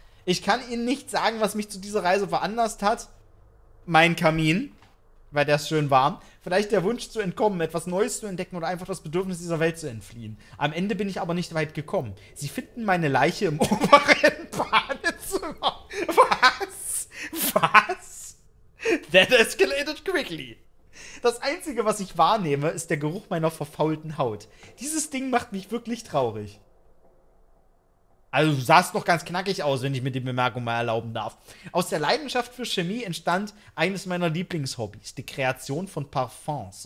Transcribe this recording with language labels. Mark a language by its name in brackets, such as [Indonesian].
[German] Ich kann Ihnen nicht sagen, was mich zu dieser Reise veranlasst hat. Mein Kamin, weil der ist schön warm. Vielleicht der Wunsch zu entkommen, etwas Neues zu entdecken oder einfach das Bedürfnis dieser Welt zu entfliehen. Am Ende bin ich aber nicht weit gekommen. Sie finden meine Leiche im oberen Badezimmer. Was? Was? [English] That escalated quickly. [German] Das Einzige, was ich wahrnehme, ist der Geruch meiner verfaulten Haut. Dieses Ding macht mich wirklich traurig. Also du sahst doch ganz knackig aus, wenn ich mir die Bemerkung mal erlauben darf. Aus der Leidenschaft für Chemie entstand eines meiner Lieblingshobbys, die Kreation von Parfums.